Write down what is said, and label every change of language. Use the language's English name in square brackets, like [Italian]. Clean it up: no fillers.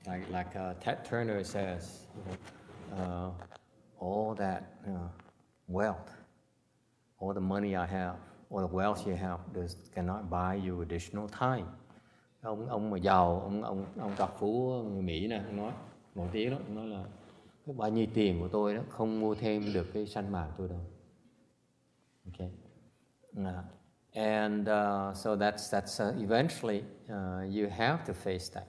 [English] Like Ted Turner says, all that wealth, all the money I have, all the wealth you have, does cannot buy you additional time. [Vietnamese] Ông mà giàu, ông tạp phú người Mỹ nè, nói một tiếng đó, nói là cái bao nhiêu tiền của tôi đó không mua thêm được cái sanh mạng tôi đâu. [English] Okay. So that's eventually you have to face that.